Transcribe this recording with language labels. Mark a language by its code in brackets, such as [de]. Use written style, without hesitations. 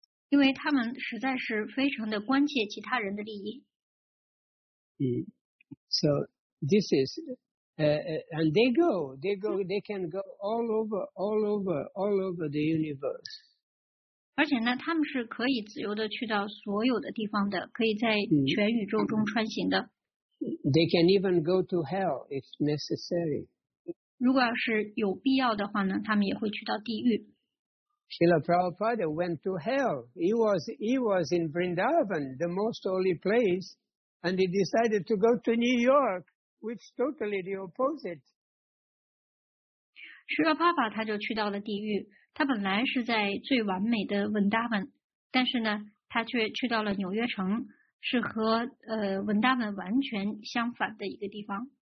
[zh] 因为他们实在是非常的关切其他人的利益。 [en] So this is. And they go, they can go all over the universe. [zh] 而且呢，他们是可以自由的去到所有的地方的，可以在全宇宙中穿行的。 [en] They can even go to hell if necessary. [zh] 如果要是有必要的话呢，他们也会去到地狱。 [en] Srila Prabhupada went to hell. He was in Vrindavan, the most holy place, and he decided to go to New York, which is totally the opposite. [zh] Srila Prabhupada 他就去到了地狱。他本来是在最完美的 Vrindavan, 但是呢，他却去到了纽约城，是和Vrindavan 完全相反的一个地方。